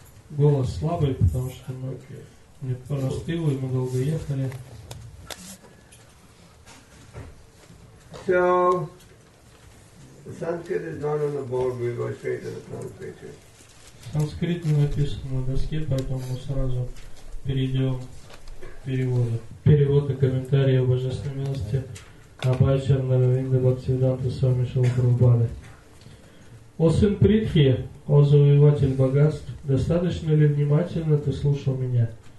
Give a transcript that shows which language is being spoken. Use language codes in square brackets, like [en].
[ru] Голос слабый, потому что мы не простыл, и мы долго ехали. [en] So, Sanskrit is not on the board, we go straight to the translation. [ru] Санскрит не написан на доске, поэтому мы сразу перейдем к переводу. Перевод и комментарий о Божественной милости Абхай Чарнаравинда Бхактисиддханта Свами Шрила Прабхупады. О сын Притхи, о завоеватель богатств, достаточно ли внимательно ты слушал меня?